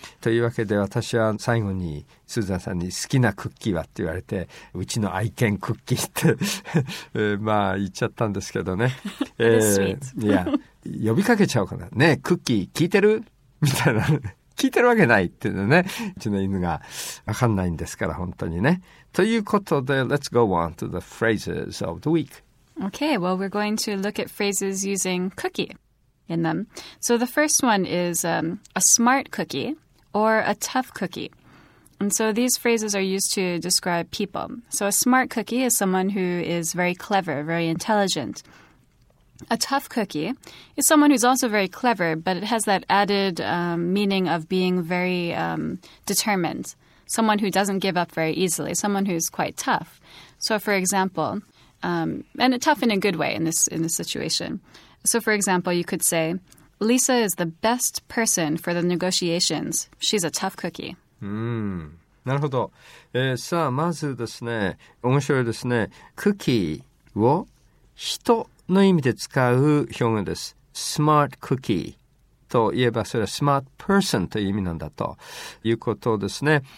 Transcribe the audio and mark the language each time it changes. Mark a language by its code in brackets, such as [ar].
[ja] というわけで私は最後にスーザンさんに好きなクッキーはって言われて、うちの愛犬クッキーって、まあ言っちゃったんですけどね。いや、呼びかけちゃおうかな。ねえ、クッキー聞いてる?みたいな。聞いてるわけないっていうのね。うちの犬がわかんないんですから、本当にね。ということで、 [en] let's go on to the phrases of the week. Okay, well, we're going to look at phrases using cookie in them. So the first one is a smart cookie or a tough cookie. And so these phrases are used to describe people. So a smart cookie is someone who is very clever, very intelligent. A tough cookie is someone who's also very clever, but it has that added meaning of being very determined. Someone who doesn't give up very easily, someone who's quite tough. So for example... and tough in a good way in this situation. So, for example, you could say, Lisa is the best person for the negotiations. She's a tough cookie. [ja] なるほど。さあ、まずですね、面白いですね。クッキーを人の意味で使う表現です。 Smart cookie といえば、それは smart person という意味なんだということですね。